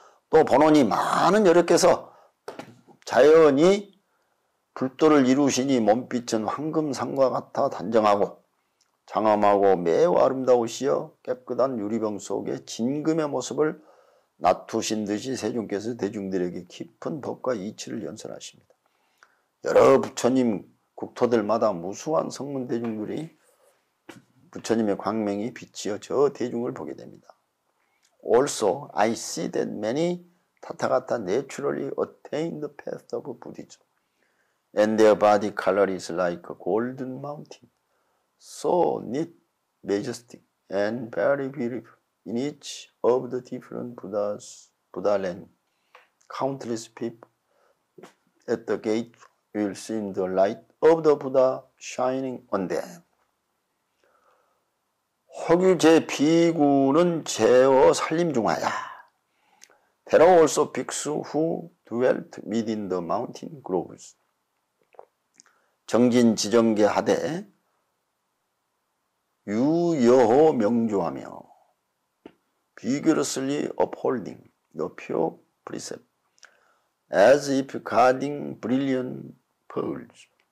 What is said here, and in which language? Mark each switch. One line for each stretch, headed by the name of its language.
Korean: 또 본원이 많은 여력께서 자연히 불도를 이루시니 몸빛은 황금상과 같아 단정하고 장엄하고 매우 아름다우시어 깨끗한 유리병 속에 진금의 모습을 나투신 듯이 세종께서 대중들에게 깊은 법과 이치를 연설하십니다. 여러 부처님 국토들마다 무수한 성문 대중들이 부처님의 광명이 비치어 저 대중을 보게 됩니다.
English: Also, I see that many Tathagata naturally attain the path of Buddhism. And their body color is like a golden mountain. So neat, majestic, and very beautiful. In each of the different Buddhas, Buddha land, countless people at the gate will see the light of the Buddha shining on them.
Korean: 허규제 비구는 제어 살림 중하야.
English: There are also bhikshu who dwelt within the mountain groves.
Korean: 정진 지정계 하되 유여호 명조하며
English: vigorously upholding the pure precept as if guarding brilliant pearls.